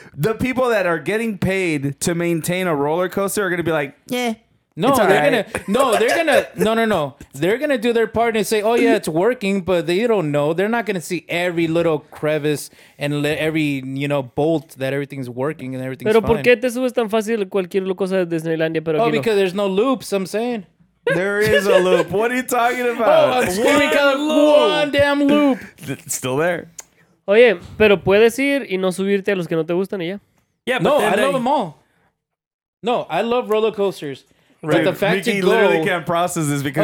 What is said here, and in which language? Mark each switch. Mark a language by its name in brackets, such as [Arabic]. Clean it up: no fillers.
[English] The people that are getting paid to maintain a roller coaster are going to be like, yeah. They're gonna do their part and say, oh yeah, it's working, but they don't know. They're not gonna see every little crevice and every bolt that everything's working and everything's [Spanish] pero [English] fine. [Spanish] ¿Por qué te subes tan fácil cualquier cosa de Disneylandia, pero [English] oh, [Spanish] aquí [English] because no. There's no loops, I'm saying. There is a loop. What are you talking about? Oh, it's one, one damn loop. It's still there. [Spanish] Oye, pero puedes ir y no subirte a los que no te gustan y ya. [English] Yeah, no, I love them all. No, I love roller coasters. Right. But the fact Mickey literally can't process this because